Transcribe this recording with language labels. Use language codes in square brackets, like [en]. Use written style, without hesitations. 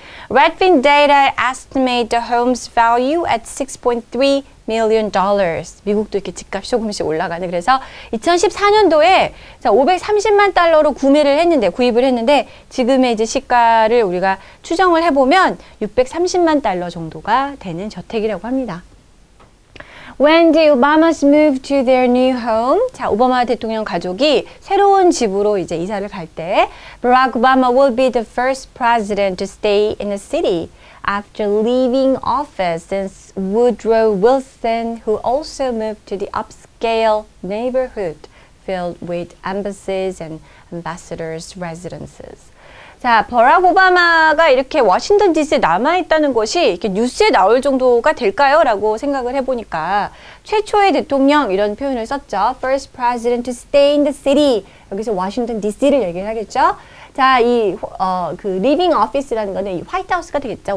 [en] Redfin data estimate the home's value at $6.3 million. [ko] 미국도 이렇게 집값이 조금씩 올라가네. 그래서 2014년도에 530만 달러로 구매를 했는데 구입을 했는데 지금의 이제 시가를 우리가 추정을 해보면 630만 달러 정도가 되는 저택이라고 합니다. [en] When the Obamas move to their new home, [ko] 자, 오바마 대통령 가족이 새로운 집으로 이제 이사를 갈 때, [en] Barack Obama will be the first president to stay in the city after leaving office since Woodrow Wilson, who also moved to the upscale neighborhood filled with embassies and ambassadors' residences. [ko] 자, 버락 오바마가 이렇게 워싱턴 DC에 남아있다는 것이 이렇게 뉴스에 나올 정도가 될까요? 라고 생각을 해보니까 최초의 대통령 이런 표현을 썼죠. [en] First president to stay in the city. [ko] 여기서 워싱턴 DC를 얘기를 하겠죠. 자, 이 그 living office라는 거는 이 화이트하우스가 되겠죠.